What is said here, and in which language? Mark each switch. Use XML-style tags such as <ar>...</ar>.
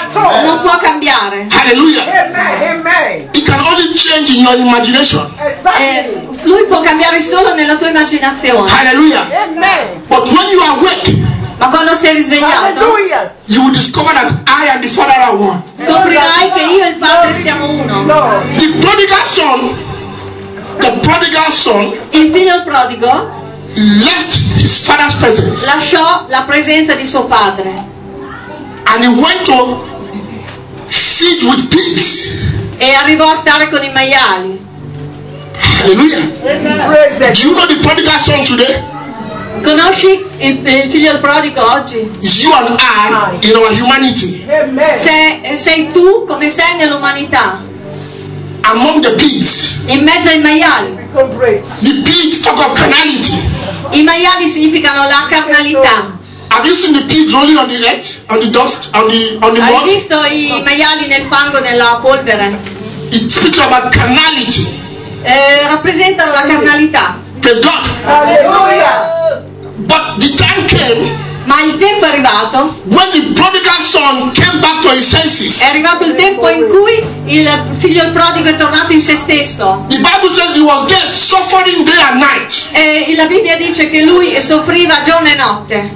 <it>Non può cambiare.</it> <en>Hallelujah. Amen. It can only change in your imagination.</en> <it>Lui può cambiare solo nella tua immaginazione.</it> <en>Hallelujah. Amen. But when you are awake,</en> <it>ma quando sei risvegliato,</it> <en>hallelujah, you will discover that I and the father are one.</en> <it>Scoprirai che io e il padre siamo uno.</it> <en>The prodigal son,</en> <it>il figlio prodigo,</it> <en>left his father's presence,</en> <it>lasciò la presenza di suo padre,</it> <en>and he went to feed with pigs,</en> <it>e arrivò a stare con i maiali. Alleluia. Amen.</it> <en>Do you know the prodigal son today?</en> <it>Conosci il figlio del prodigo oggi?</it> <en>It's you and I in our humanity. Amen.</en> <it>Sei tu come sei nell'umanità.</it> <en>Among the pigs,</en> <it>in mezzo ai maiali.</it> <en>The pigs talk of carnality.</en> <it>I maiali significano la carnalità.</it> <en>Have you seen the pig rolling on the earth, on the dust, on the mud?</en> <it>Hai visto i maiali nel fango, nella polvere?</it> <en>It speaks about carnality.</en> <it>Rappresentano la carnalità.</it> <en>Praise God.</en> <it>Alleluia.</it> <en>But the time came.</en> <it>Ma il tempo è arrivato.</it> <en>When the prodigal son came back to his senses.</en> <it>È arrivato il tempo in cui il figlio prodigo è tornato in se stesso.</it> <en>The Bible says he was there suffering day and night.</en> <it>E la Bibbia dice che lui soffriva giorno e notte.</it>